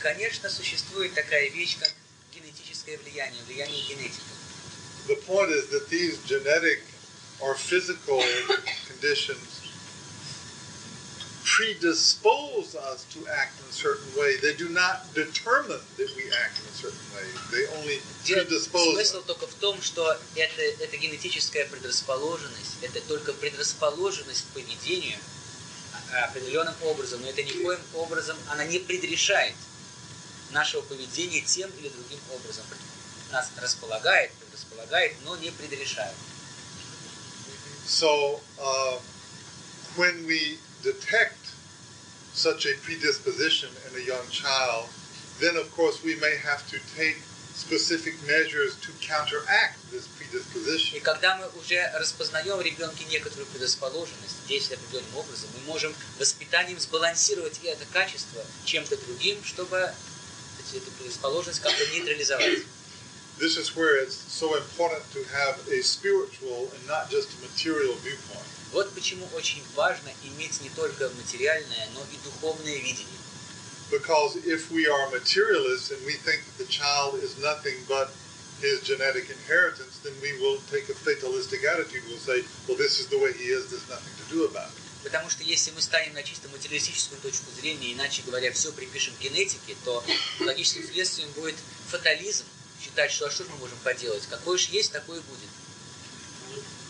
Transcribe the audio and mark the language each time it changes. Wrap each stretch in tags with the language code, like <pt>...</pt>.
<ru>Конечно, существует такая вещь, как генетическое влияние, влияние генетики.</ru> <en>The point is that these genetic or physical conditions predispose us to act in a certain way. They do not determine that we act in a certain way. They only predispose.</en> <ru>Смысл только в том, что это генетическая предрасположенность, это только предрасположенность к поведению определенным образом, но это никоим образом, она не предрешает нашего поведения тем или другим образом. Нас располагает, предрасполагает, но не предрешает.</ru> <en>So, when we detect such a predisposition in a young child, then of course we may have to take specific measures to counteract this predisposition.</en> <ru>И когда мы уже распознаем в ребенке некоторую предрасположенность, действуя определенным образом, мы можем воспитанием сбалансировать и это качество чем-то другим, чтобы эту предрасположенность как-то нейтрализовать.</ru> <en>This is where it's so important to have a spiritual and not just a material viewpoint.</en> <ru>Вот почему очень важно иметь не только материальное, но и духовное видение.</ru> <en>Because if we are materialists and we think that the child is nothing but his genetic inheritance, then we will take a fatalistic attitude. We'll say, well, this is the way he is, there's nothing to do about it.</en> <ru>Потому что если мы станем на чисто материалистическую точку зрения, иначе говоря, все припишем генетике, то логическим следствием будет фатализм. Считать, что, а что же мы можем поделать? Какое же есть, такое и будет.</ru>